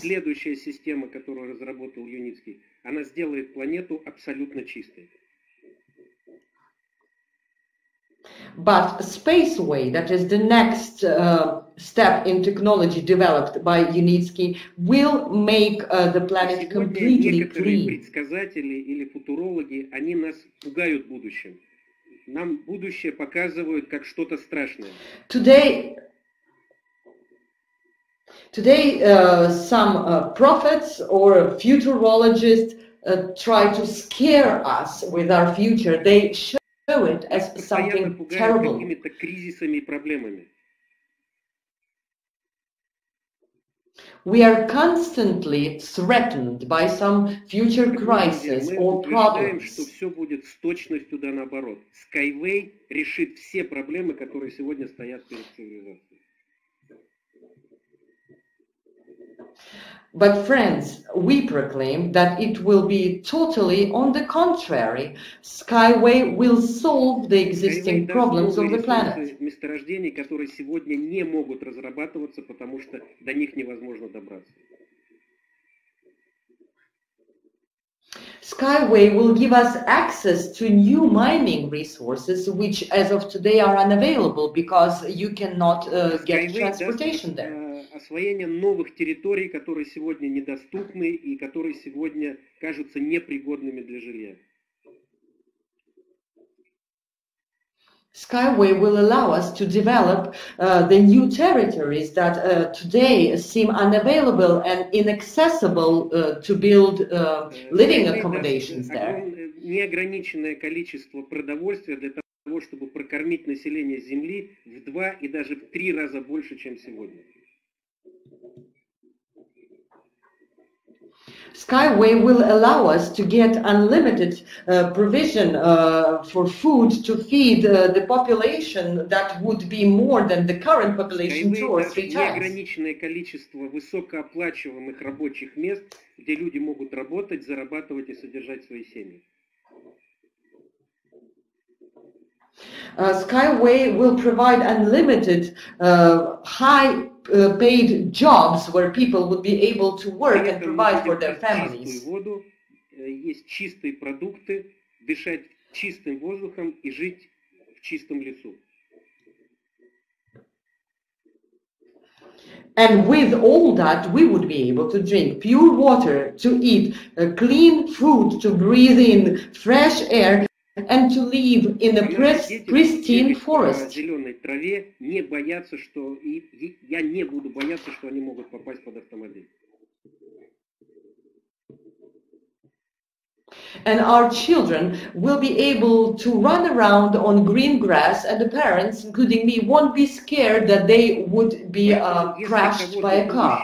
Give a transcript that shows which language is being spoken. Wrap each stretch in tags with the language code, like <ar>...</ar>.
<ru>Следующая система, которую разработал Юницкий, она сделает планету абсолютно чистой.</ru> <en>But SpaceWay, that is the next step in technology developed by Юницкий, will make the planet completely clean.</en> <ru>Сегодня некоторые предсказатели или футурологи, они нас пугают будущим. Нам будущее показывают как что-то страшное.</ru> <en>Today some prophets or futurologists try to scare us with our future. They show it as something terrible.</en> <ru>Какими-то кризисами и проблемами.</ru> <en>We are constantly threatened by some future crisis or problems.</en> <ru>Что все будет с точностью да наоборот. SkyWay решит все проблемы, которые сегодня стоят перед цивилизацией.</ru> <en>But friends, we proclaim that it will be totally on the contrary. SkyWay will solve the existing problems of the planet.</en> <ru>Месторождений, которые сегодня не могут разрабатываться, потому что до них невозможно добраться.</ru> <en>SkyWay will give us access to new mining resources, which as of today are unavailable because you cannot get transportation there.</en> <ru>Освоение новых территорий, которые сегодня недоступны и которые сегодня кажутся непригодными для жилья.</ru> <en>SkyWay will allow us to develop the new territories that today seem unavailable and inaccessible to build living accommodations there.</en> <ru>Неограниченное количество продовольствия для того, чтобы прокормить население Земли в два и даже в три раза больше, чем сегодня.</ru> <en>SkyWay will allow us to get unlimited provision for food to feed the population that would be more than the current population two or three times.</en> <ru>Неограниченное количество высокооплачиваемых рабочих мест, где люди могут работать, зарабатывать и содержать свои семьи.</ru> <en>SkyWay will provide unlimited high paid jobs where people would be able to work and provide for their families.</en> <ru>Воду, есть чистые продукты, дышать чистым воздухом и жить в чистом лесу.</ru> <en>And with all that we would be able to drink pure water, to eat clean food, to breathe in fresh air and to live in a pristine forest.</en> <ru>В зеленой траве не боятся, что я не буду бояться, что они могут попасть под автомобиль.</ru> <en>And our children will be able to run around on green grass, and the parents, including me, won't be scared that they would be crashed by a car.</en>